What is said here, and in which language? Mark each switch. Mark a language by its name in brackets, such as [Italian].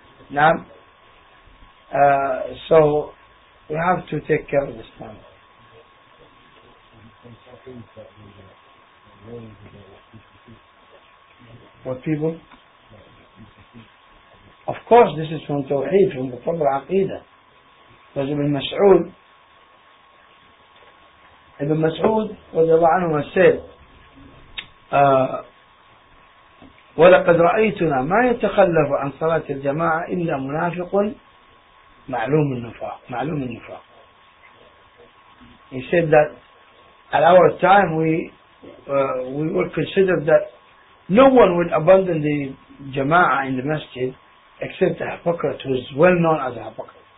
[English] Now, so we have to take care of this family. What people? Of course, this is from Tawheed, from the Fadl Aqeedah. Because Ibn Mas'ud, radiallahu anhu, said, [Arabic] وَلَقَدْ رَأَيْتُنَا مَا يَتَخَلَّفُ عَنْ صَلَاةِ الْجَمَاعَةِ إِلَّا مُنَافِقٌ معلوم النفاق, معلوم النفاق. [English] He said that at our time we would consider that no one would abandon the jama'ah in the masjid except the hypocrite, who is well known as a hypocrite.